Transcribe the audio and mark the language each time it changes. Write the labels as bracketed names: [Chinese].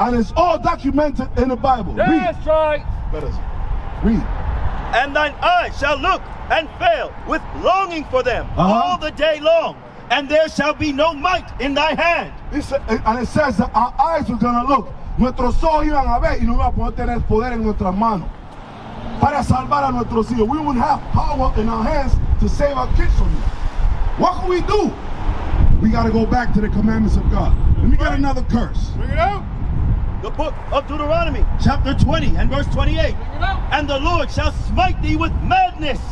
[English] And it's all documented in the Bible. That's read. That's right. Read. And thine eyes shall look and fail with longing for them all the day long, and there shall be no might in thy hand. And it says that our eyes were going to look. [Spanish] Nuestros ojos iban a ver y no iba a poder tener poder en nuestras manos. Para salvar a nuestros hijos. [English] We wouldn't have power in our hands to save our kids from you. What can we do? We got to go back to the commandments of God. Let me get another curse. Bring it out. The book of Deuteronomy, chapter 20 and verse 28. And the Lord shall smite thee with madness.